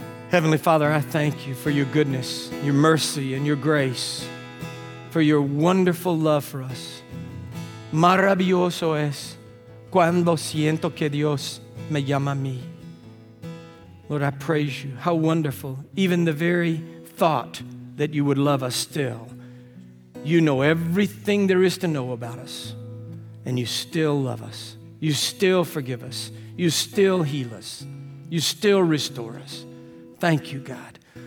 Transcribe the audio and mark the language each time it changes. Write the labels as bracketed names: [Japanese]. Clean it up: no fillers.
[English] Heavenly Father, I thank you for your goodness, your mercy, and your grace, for your wonderful love for us. [Spanish] Maravilloso es. Cuando siento que Dios me llama a mí. [English] Lord, I praise you. How wonderful. Even the very thought that you would love us still. You know everything there is to know about us. And you still love us. You still forgive us. You still heal us. You still restore us. Thank you, God.